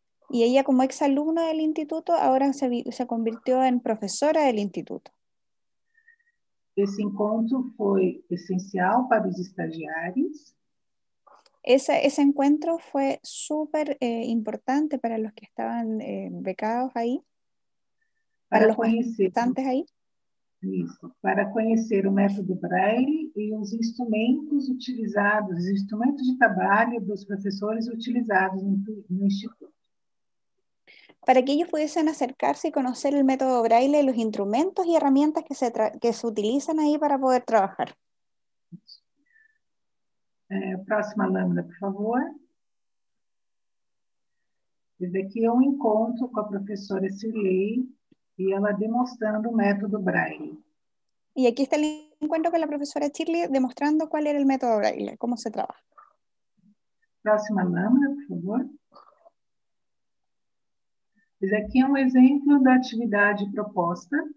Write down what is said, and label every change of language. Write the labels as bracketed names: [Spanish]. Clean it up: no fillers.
[Spanish] Y ella como exalumna del instituto, ahora se convirtió en profesora del instituto. Ese encuentro fue esencial para los estagiarios. Ese encuentro fue súper importante para los que estaban becados ahí. Para los estudiantes ahí. [Portuguese] Isso, para conhecer o método Braille e os instrumentos utilizados, os instrumentos de trabalho dos professores utilizados no Instituto. Para que eles pudessem acercar-se e conhecer o método Braille e os instrumentos e ferramentas que se utilizam aí para poder trabalhar. Próxima lâmina, por favor. Desde aqui é um encontro com a professora Shirley. [Spanish] Y ella demostrando el método Braille. Y aquí está el encuentro con la profesora Shirley demostrando cuál era el método Braille, cómo se trabaja. Próxima lámina, por favor. Pues aquí es un ejemplo de la actividad propuesta.